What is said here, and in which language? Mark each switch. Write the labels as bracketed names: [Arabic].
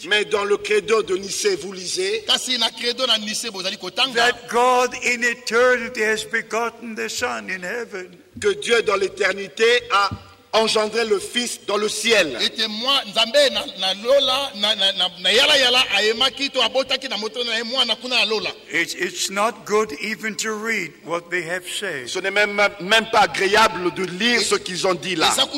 [French] Mais dans le credo de Nicée vous lisez. [English] That God in eternity has begotten the Son in heaven. [French] Que Dieu dans l'éternité a engendré le Fils dans le ciel. [English] It's not good even to read what they have said. [French] Ce n'est même pas agréable de lire ce qu'ils ont dit là.